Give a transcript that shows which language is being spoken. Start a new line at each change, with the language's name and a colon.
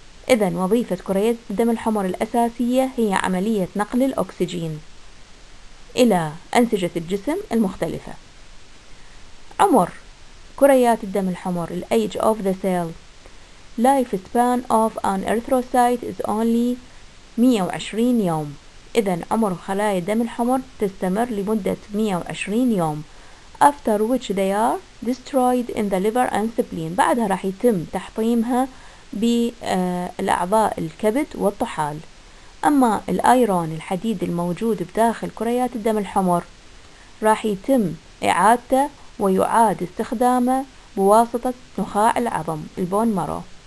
Arabic: إذن وظيفة كريات الدم الحمر الأساسية هي عملية نقل الأكسجين إلى أنسجة الجسم المختلفة. عمر كريات الدم الحمر الـ
English: age of the cell. Life span of an erythrocyte is only 120 يوم.
Arabic: إذن عمر خلايا الدم الحمر تستمر لمدة 120 يوم.
English: After which they are destroyed in the liver and spleen.
Arabic: بعدها راح يتم تحطيمها بالأعضاء الكبد والطحال. أما الأيرون الحديد الموجود بداخل كريات الدم الحمر راح يتم إعادته ويعاد استخدامه بواسطة نخاع العظم البون مارو.